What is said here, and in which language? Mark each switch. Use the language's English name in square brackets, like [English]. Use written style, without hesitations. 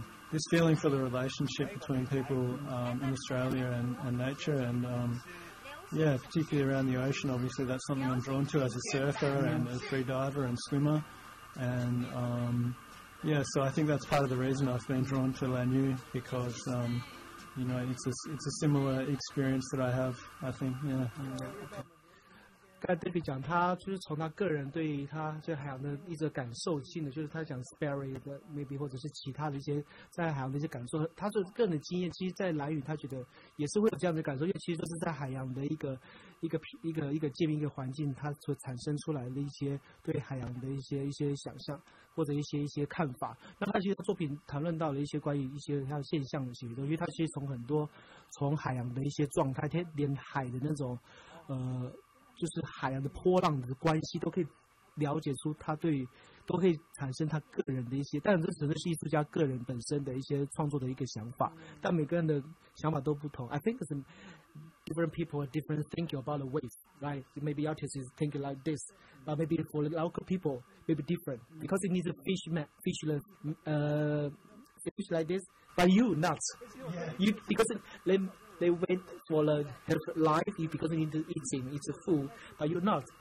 [English] This feeling for the relationship between people in Australia and nature, and particularly around the ocean, obviously that's something I'm drawn to as a surfer and a free diver and swimmer, and so I think that's part of the reason I've been drawn to Lanyu, because it's a similar experience that I have, I think. [Chinese] 刚才 David 讲，他就是从他个人对他对海洋的一种感受性的，就是他讲 Sperry 的 maybe 或者是其他的一些在海洋的一些感受，他是个人的经验，其实在蓝屿他觉得也是会有这样的感受，因为其实就是在海洋的一个界面一个环境，他所产生出来的一些对海洋的一些想象或者一些看法。那他其实作品谈论到了一些关于一些像现象的解读，因为他其实从很多从海洋的一些状态，连海的那种就是海洋的波浪的关系都可以了解出他对都可以产生他个人的一些，但这只是艺术家个人本身的一些创作的一个想法，但每个人的想法都不同。 [English] I think different people are different thinking about the waves, right? Maybe artists is thinking like this, but maybe for the local people maybe different because it needs a fish like this, but you not you, because they wait for the life because they need to eat it, it's a food, but you're not.